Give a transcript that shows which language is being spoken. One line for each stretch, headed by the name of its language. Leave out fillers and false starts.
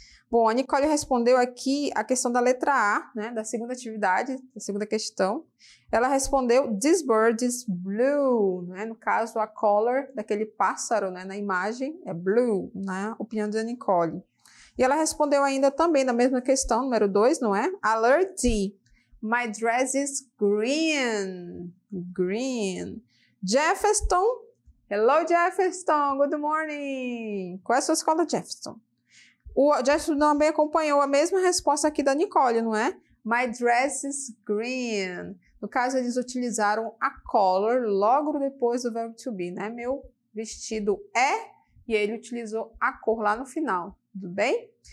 Portuguese: Bom, a Nicole respondeu aqui a questão da letra A, né? Da segunda atividade, da segunda questão. Ela respondeu,
English: this bird is blue,
Portuguese: né? No caso, a color daquele pássaro, né? Na imagem, é blue, né? Opinião da Nicole. E ela respondeu ainda também na mesma questão, número 2, não é?
English: Alert D, my dress is green, green. Jefferson, hello Jefferson, good morning.
Portuguese: Qual é a sua escola, Jefferson? O Jefferson também acompanhou a mesma resposta aqui da Nicole, não é?
English: My dress is green.
Portuguese: No caso, eles utilizaram a color logo depois do verbo to be, né? Meu vestido é, e ele utilizou a cor lá no final, tudo bem?